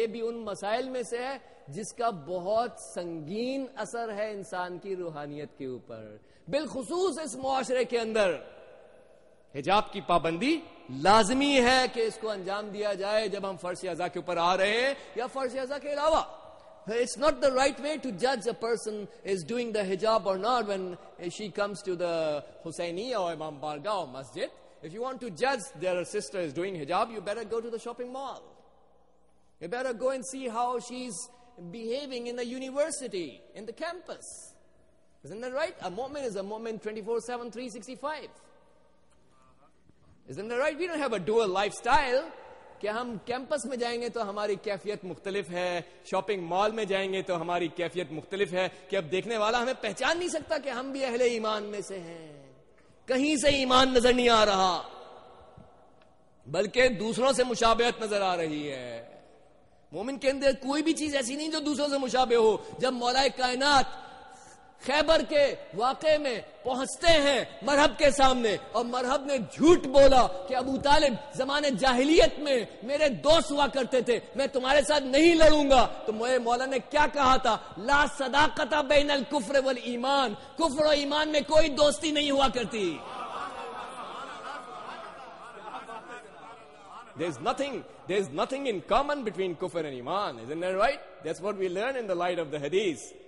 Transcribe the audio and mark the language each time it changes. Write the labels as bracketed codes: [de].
[ur] یہ بھی ان مسائل میں سے ہے جس کا بہت سنگین اثر ہے انسان کی روحانیت کے اوپر, بالخصوص اس معاشرے کے اندر حجاب کی پابندی لازمی ہے کہ اس کو انجام دیا جائے جب ہم فرض عزا کے اوپر آ رہے ہیں یا فرض عزا کے علاوہ. [en] It's not the right way to judge a person is doing the hijab or not when she comes to the Husainiya or Imam Barga or Masjid. If you want to judge their sister is doing hijab, you better go to the shopping mall. You better go and see how she's behaving in the university, in the campus. Isn't that right? A mu'min is a mu'min 24/7, 365. Isn't that right? We don't have a dual lifestyle. [ur] کہ ہم campus میں جائیں گے تو ہماری کیفیت مختلف ہے, شاپنگ مال میں جائیں گے تو ہماری کیفیت مختلف ہے, کہ اب دیکھنے والا ہمیں پہچان نہیں سکتا کہ ہم بھی اہل ایمان میں سے ہیں, کہیں سے ایمان نظر نہیں آ رہا بلکہ دوسروں سے مشابہت نظر آ رہی ہے. مومن کے اندر کوئی بھی چیز ایسی نہیں جو دوسروں سے مشابہ ہو. جب مولا کائنات خیبر کے واقعے میں پہنچتے ہیں مرحب کے سامنے اور مرحب نے جھوٹ بولا کہ ابو طالب زمانے جاہلیت میں میرے دوست ہوا کرتے تھے, میں تمہارے ساتھ نہیں لڑوں گا, تو میرے مولا نے کیا کہا تھا, [ar] لا صداقت بین الکفر والایمان, [ur] کفر و ایمان میں کوئی دوستی نہیں ہوا کرتی. [en] There is nothing in common between kufr and iman, isn't that right? That's what we learn in the light of the hadith.